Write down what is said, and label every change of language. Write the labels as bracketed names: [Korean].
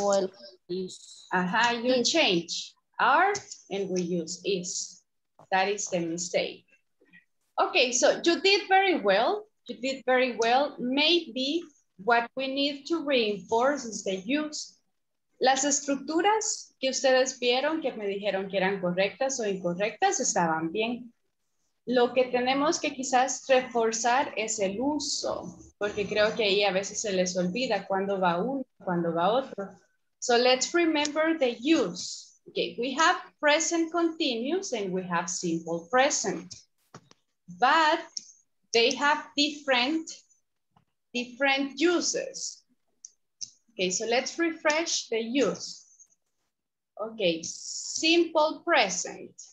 [English] Well, is. Ajá, you is. Change are and we use is. That is the mistake. Okay, so you did very well. You did very well. Maybe what we need to reinforce is the use. [Spanish] Las estructuras que ustedes vieron, que me dijeron que eran correctas o incorrectas, estaban bien. Lo que tenemos que quizás reforzar es el uso, porque creo que ahí a veces se les olvida cuándo va uno, cuándo va otro. [English] So let's remember the use. Okay, we have present continuous and we have simple present. But they have different uses. Okay, so let's refresh the use. Okay, simple present.